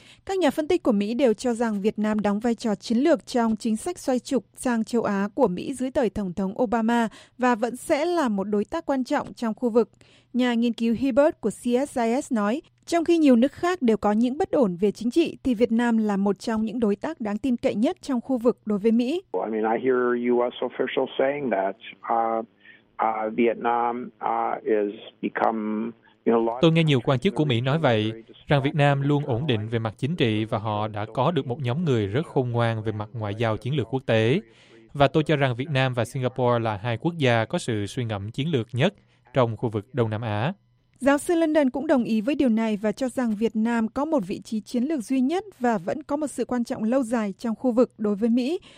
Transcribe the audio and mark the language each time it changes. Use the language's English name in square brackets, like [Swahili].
[Vietnamese] Các nhà phân tích của Mỹ đều cho rằng Việt Nam đóng vai trò chiến lược trong chính sách xoay trục sang châu Á của Mỹ dưới thời Tổng thống Obama và vẫn sẽ là một đối tác quan trọng trong khu vực. Nhà nghiên cứu Hibbert của CSIS nói, trong khi nhiều nước khác đều có những bất ổn về chính trị, thì Việt Nam là một trong những đối tác đáng tin cậy nhất trong khu vực đối với Mỹ. [English] I mean, I hear U.S. officials saying that Vietnam is become [Vietnamese] Tôi nghe nhiều quan chức của Mỹ nói vậy, rằng Việt Nam luôn ổn định về mặt chính trị và họ đã có được một nhóm người rất khôn ngoan về mặt ngoại giao chiến lược quốc tế. Và tôi cho rằng Việt Nam và Singapore là hai quốc gia có sự suy ngẫm chiến lược nhất trong khu vực Đông Nam Á. Giáo sư London cũng đồng ý với điều này và cho rằng Việt Nam có một vị trí chiến lược duy nhất và vẫn có một sự quan trọng lâu dài trong khu vực đối với Mỹ.